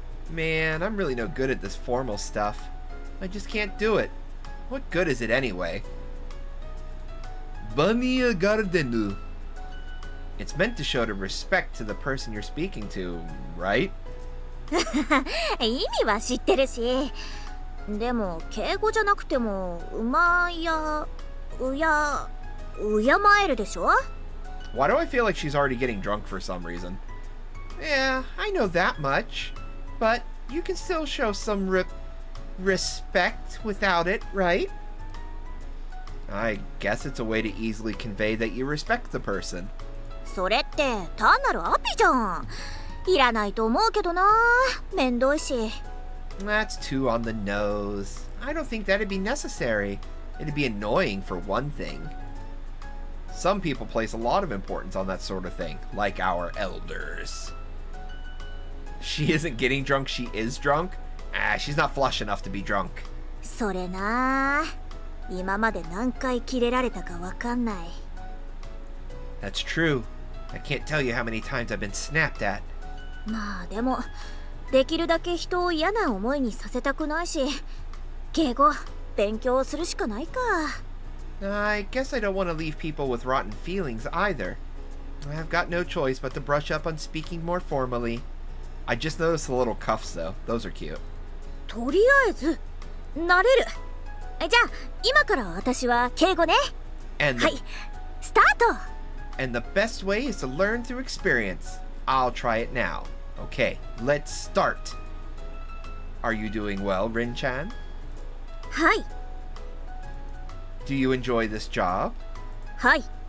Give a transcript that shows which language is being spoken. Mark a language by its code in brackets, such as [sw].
[en] Man, I'm really no good at this formal stuff. I just can't do it. What good is it anyway? Bunia Gardenu. It's meant to show the respect to the person you're speaking to, right? [ja] 意味は知ってるし。でも、敬語じゃなくても、うまや、うや…敬えるでしょ? [en] Why do I feel like she's already getting drunk for some reason? Yeah, I know that much. But you can still show some respect without it, right? I guess it's a way to easily convey that you respect the person. [ja] それって単なるアピじゃん。いらないと思うけどな。めんどいし。 [en] That's too on the nose. I don't think that'd be necessary. It'd be annoying for one thing. Some people place a lot of importance on that sort of thing, like our elders. She isn't getting drunk, she is drunk? Ah, she's not flush enough to be drunk. [ja] それな。今まで何回キレられたかわかんない。 [en] That's true. I can't tell you how many times I've been snapped at. [ja] まあでも、できるだけ人を嫌な思いにさせたくないし、敬語、勉強するしかないか。 [en] I guess I don't want to leave people with rotten feelings either. I've got no choice but to brush up on speaking more formally. I just noticed the little cuffs though. Those are cute. [ja] とりあえず、慣れる。じゃあ、今から私は敬語ね。はい、スタート! [en] And the best way is to learn through experience. I'll try it now. Okay, let's start. Are you doing well, Rin-chan? [ja] はい。 [en] Do you enjoy this job? [ja] はい。